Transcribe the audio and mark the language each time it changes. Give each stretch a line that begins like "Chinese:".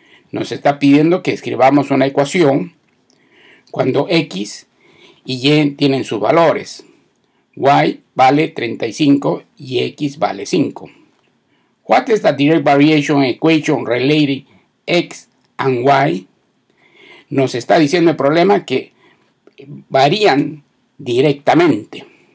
Spanish: Nos está pidiendo que escribamos una ecuación cuando x y y tienen sus valores. Y vale 35 y x vale 5.
English: What is the direct variation equation relating x and y?
Spanish: Nos está diciendo el problema que varían directamente.